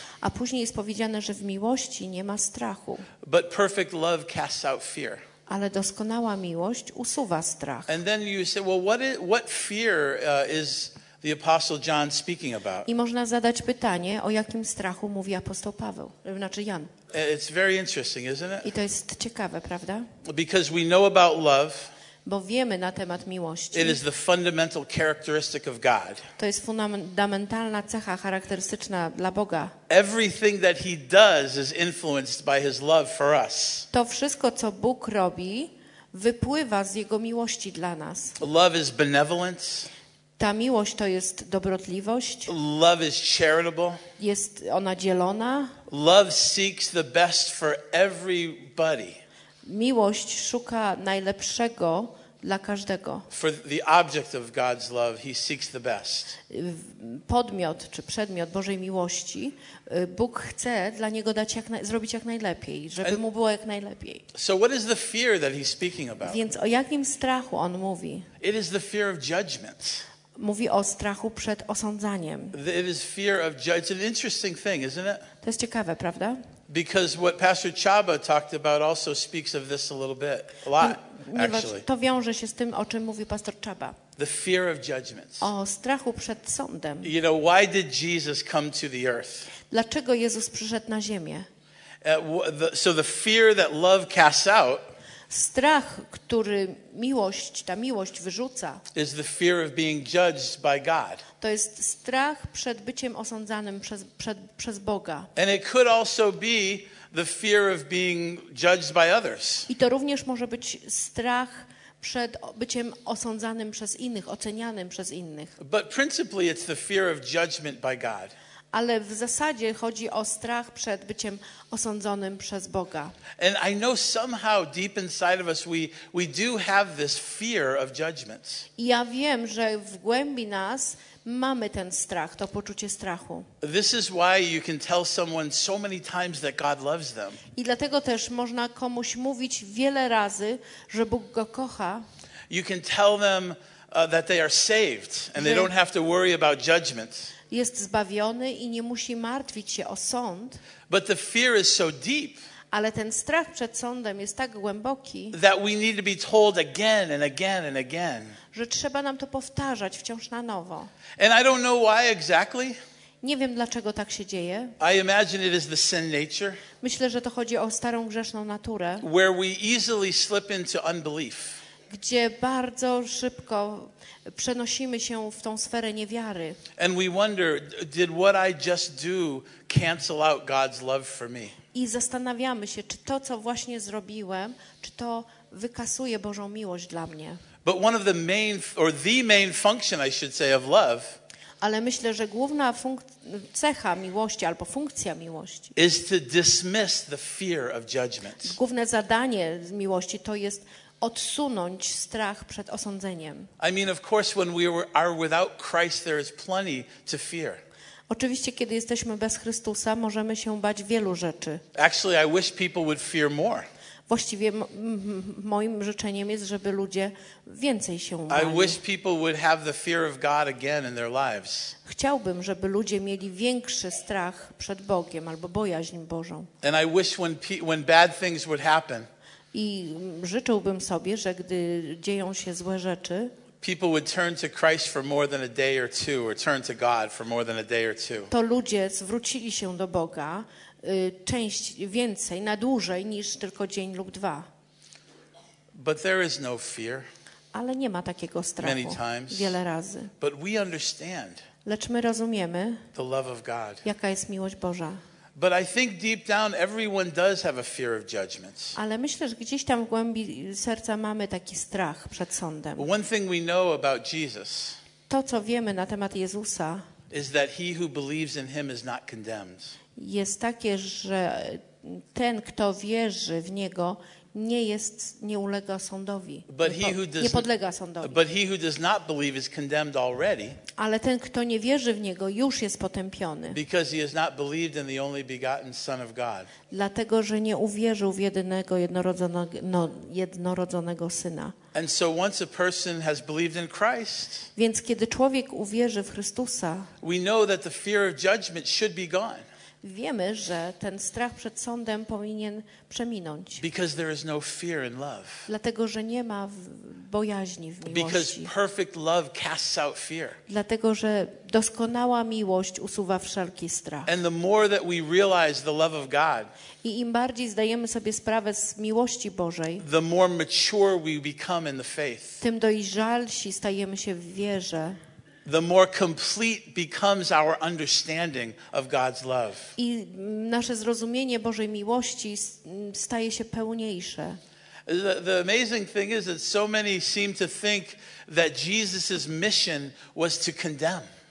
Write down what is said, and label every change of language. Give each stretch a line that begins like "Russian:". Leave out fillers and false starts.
Polish: A później jest powiedziane, że w miłości nie ma strachu.
English: But perfect love casts out fear.
Polish: Ale doskonała miłość usuwa strach.
English: And then you say, well, what fear is the apostle John speaking about?
Polish: I można zadać pytanie, o jakim strachu mówi apostoł Paweł, znaczy Jan.
English: It's very interesting, isn't it?
Polish: I to jest ciekawe, prawda?
English: Because we know about love.
Polish: Bo wiemy na temat miłości.
English: It is the fundamental characteristic of God.
Polish: To jest fundamentalna cecha charakterystyczna dla Boga.
English: Everything that he does is influenced by his love for us.
Polish: To wszystko, co Bóg robi, wypływa z jego miłości dla nas.
English: Love is benevolence.
Polish: Ta miłość to jest dobrotliwość.
English: Love is charitable.
Polish: Jest ona dzielona.
English: Love seeks the best for everybody.
Polish: Miłość szuka najlepszego dla każdego.
English: For the object of God's love, he seeks the best.
Polish: Podmiot czy przedmiot Bożej miłości, Bóg chce dla niego dać zrobić jak najlepiej, żeby mu było jak najlepiej.
English: So what is the fear that he's speaking about?
Polish: Więc o jakim strachu on mówi?
English: It is the fear of judgment.
Polish: Mówi o strachu przed osądzaniem.
English: It is fear of judgment. It's an interesting thing, isn't it?
Polish: To jest ciekawe, prawda?
English: Because what Pastor Chaba talked about also speaks of this a little bit, a lot, actually.
Polish: To wiąże się z tym, o czym mówił Pastor Chaba.
English: The fear of judgments.
Polish: O strachu przed sądem.
English: You know, why did Jesus come to the earth?
Polish: Dlaczego Jezus przyszedł na ziemię?
English: So the fear that love casts out.
Polish: Strach, który miłość, ta miłość wyrzuca.
English: Is the fear of being judged by God.
Polish: To jest strach przed byciem osądzanym przez Boga.
English: And it could also be the fear of being judged by others.
Polish: I to również może być strach przed byciem osądzanym przez innych, ocenianym przez innych.
English: But principally it's the fear of judgment by God.
Polish: Ale w zasadzie chodzi o strach przed byciem osądzonym przez Boga.
English: And I know somehow deep inside of us we do have this fear of judgment.
Polish: I ja wiem, że w głębi nas mamy ten strach, to poczucie strachu.
English: This is why you can tell someone so many times that God loves them.
Polish: I dlatego też można komuś mówić wiele razy, że Bóg go kocha.
English: You can tell them that they are saved and they don't have to worry about judgment.
Polish: Jest zbawiony i nie musi martwić się o sąd.
English: But the fear is so deep.
Polish: Ale ten strach przed sądem jest tak głęboki.
English: That we need to be told again and again and again.
Polish: Że trzeba nam to powtarzać wciąż na nowo.
English: And I don't know why exactly.
Polish: Nie wiem, dlaczego tak się dzieje.
English: I imagine it is the sin nature.
Polish: Myślę, że to chodzi o starą grzeszną naturę.
English: Where we easily slip into unbelief.
Polish: Gdzie bardzo szybko przenosimy się w tą sferę niewiary.
English: And we wonder, did what I just do cancel out God's love for me?
Polish: I zastanawiamy się, czy to, co właśnie zrobiłem, czy to wykasuje Bożą miłość dla mnie.
English: But one of the main, or the main function, I should say, of love.
Polish: Ale myślę, że główna cecha miłości albo funkcja miłości.
English: Is to dismiss the fear of judgment.
Polish: Główne zadanie miłości to jest odsunąć strach przed osądzeniem.
English: I mean, of course, when we are without Christ, there is plenty to fear.
Polish: Oczywiście, kiedy jesteśmy bez Chrystusa, możemy się bać wielu rzeczy.
English: Actually, I wish people would fear more.
Polish: Właściwie moim życzeniem jest, żeby ludzie więcej się bali.
English: I wish people would have the fear of God again in their lives.
Polish: Chciałbym, żeby ludzie mieli większy strach przed Bogiem albo bojaźń Bożą.
English: And I wish when bad things would happen.
Polish: I życzyłbym sobie, że gdy dzieją się złe rzeczy,
English: people would turn to Christ for more than a day or two, or turn to God for more than a day or two.
Polish: To ludzie zwrócili się do Boga, część więcej, na dłużej niż tylko dzień lub dwa.
English: But there is no fear.
Polish: Ale nie ma takiego strachu.
English: Many times.
Polish: Wiele razy.
English: But we understand.
Polish: Lecz my rozumiemy,
English: the love of God.
Polish: Jaka jest miłość Boża.
English: But I think deep down everyone does have a fear of judgments.
Polish: Ale myślę, że gdzieś tam w głębi serca mamy taki strach przed sądem.
English: One thing we know about Jesus.
Polish: To co wiemy na temat Jezusa.
English: Is that he who believes in him is not condemned.
Polish: Jest takie, że ten kto wierzy w niego nie jest nie ulega sądowi.
English: But he who does,
Polish: nie podlega sądowi.
English: But he who does not believe is condemned already.
Polish: Ale ten kto nie wierzy w niego już jest potępiony.
English: Because he has not believed in the only begotten son of God.
Polish: Dlatego że nie uwierzył w jedynego jednorodzonego syna.
English: And so once a person has believed in Christ.
Polish: Więc kiedy człowiek uwierzy w Chrystusa.
English: We know that the fear of judgment should be gone.
Polish: Wiemy, że ten strach przed sądem powinien przeminąć.
English: Because there is no fear in love.
Polish: Dlatego, że nie ma bojaźni w miłości.
English: Because perfect love casts out fear.
Polish: Dlatego, że doskonała miłość usuwa wszelki strach.
English: And the more that we realize the love of God.
Polish: I im bardziej zdajemy sobie sprawę z miłości Bożej.
English: The more mature we become in the faith.
Polish: Tym dojrzalsi stajemy się w wierze.
English: The more complete becomes our understanding of God's love.
Polish: I nasze zrozumienie Bożej miłości staje się pełniejsze.
English: The amazing thing is that so many seem to think that Jesus' mission was to condemn.